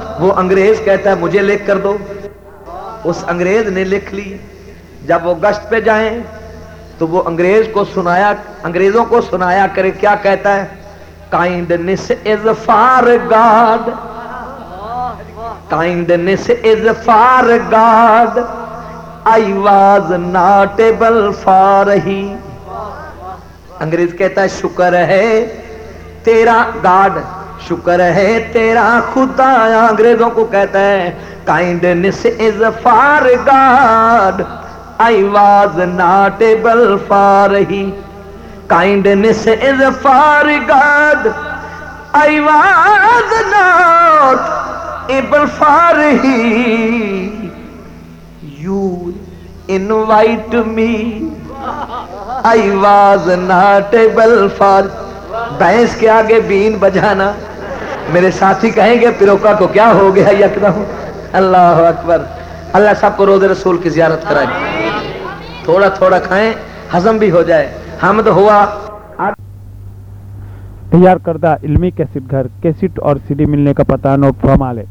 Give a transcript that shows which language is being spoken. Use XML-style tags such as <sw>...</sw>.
<ur>وہ انگریز کہتا ہے مجھے لکھ کر دو. اس انگریز نے لکھ لی. جب وہ گشت پہ جائیں تو وہ انگریز کو سنایا, انگریزوں کو سنایا کرے کیا کہتا ہے,</ur> <en>kindness is for God, kindness is for God, I was not able for he.</en> <ur>انگریز کہتا ہے شکر ہے تیرا گاڈ, شکر ہے تیرا خدا. انگریزوں کو کہتا ہے</ur> <en>kindness is for God, I was not able for he. Kindness is for God, I was not able for he. You invite me, I was not able for.</en> <ur>بھینس کے آگے بین بجانا. میرے ساتھی کہیں گے پیروکا کو کیا ہو گیا یکدم. اللہ اکبر. اللہ سب کو روز رسول کی زیارت کرائے. تھوڑا تھوڑا کھائیں ہضم بھی ہو جائے. حمد ہوا. تیار کردہ علمی کیسٹ گھر, کیسٹ اور سی ڈی ملنے کا پتہ نوٹ فرما لے.</ur>